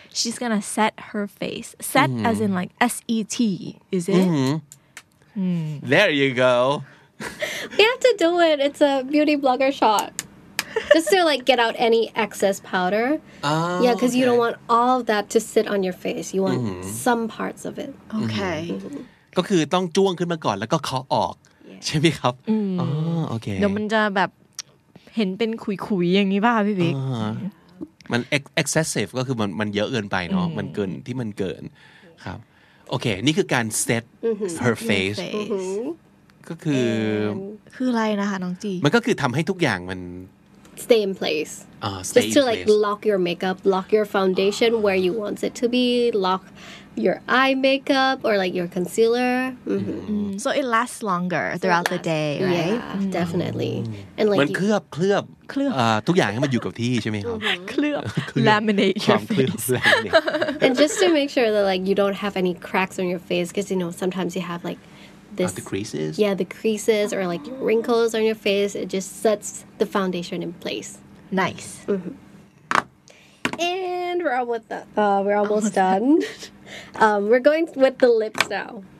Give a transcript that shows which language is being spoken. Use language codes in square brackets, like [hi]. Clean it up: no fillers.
[en] She's gonna set her face. Set mm-hmm. as in like S-E-T, is it? Mm-hmm. There you go. We have to do it. It's a beauty blogger shot. Just to like get out any excess powder. Oh, yeah, because you don't want all of that to sit on your face. You want mm-hmm. some parts of it. Okay. [th] ก็คือต้องจ้วงขึ้นมาก่อนแล้วก็เคาะออกใช่ไหมครับ อ๋ อโอเค เดี๋ยวมันจะแบบเห็นเป็นขุยๆอย่างนี้ป่ะพี่บิ๊ก มัน excessive ก็คือมันเยอะเกินไปเนาะมันเกินที่มันเกินครับโอเคนี่คือการ [en] set her face [th] ก็คืออ ะไรนะคะน้องจี มันก็คือทำให้ทุกอย่างมัน [en] stay in place stay just to like lock your makeup lock your foundation where you want it to be lock your eye makeup or like your concealer so it lasts longer throughout the day right yeah, definitely and like [th] มันเคลือบทุกอย่างให้มันอยู่กับที่ใช่ไหมครับ เคลือบ [en] laminate your face and just to make sure that like you don't have any cracks on your face because you know sometimes you have likethe creases or like wrinkles on your face it just sets the foundation in place nice mm-hmm. and we're all with that we're almost done we're going with the lips now